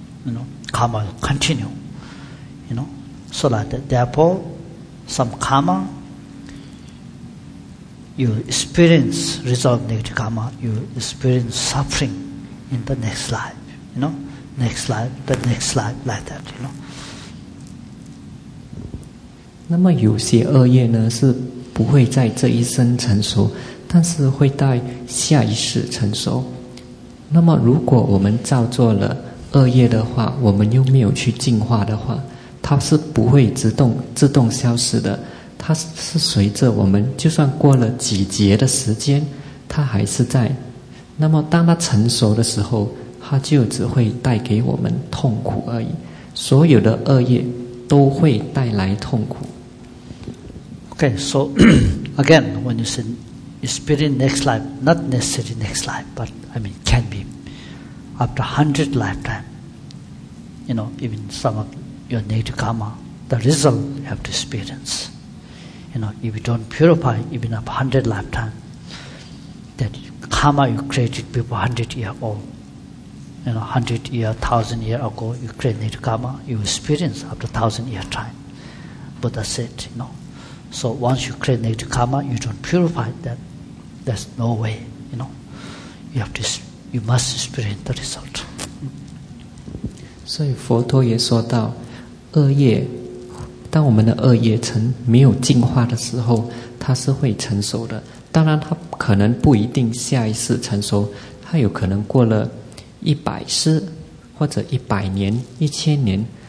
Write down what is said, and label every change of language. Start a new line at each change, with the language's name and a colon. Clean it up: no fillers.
English: You know, karma will continue. You know, so like that. Therefore,Some karma, you experience result of negative karma, you experience suffering in the next life, you know, next life, the next life, like that, you know.
Chinese: 那么有些恶业呢是不会在这一生成熟，但是会在下一世成熟。那么如果我们造作了恶业的话，我们又没有去进化的话，它是不会自动消失的，它是随着我们，就算过了几劫的时间，它还是在。那么当它成熟的时候，它就只会带给我们痛苦而已。所有的恶业都会带来痛苦。
English: Okay, so again, when you say experience next life, not necessarily next life, but I mean can be after 100 lifetime, you know, even some of. Your negative karma, the result you have to experience. You know, if you don't purify even a 100 lifetime, that karma you created before 100 years old, you know, 100 years, 1,000 years ago, you create Nirgama, you experience after 1,000 years time. Buddha said, you know, so once you create Nirgama, you don't purify that. There's no way, you know. You have to, you must experience the result.
Chinese: 所以佛陀也说到，恶业，当我们的恶业成没有净化的时候，它是会成熟的。当然，它可能不一定下一世成熟，它有可能过了100世，或者100年、1000年。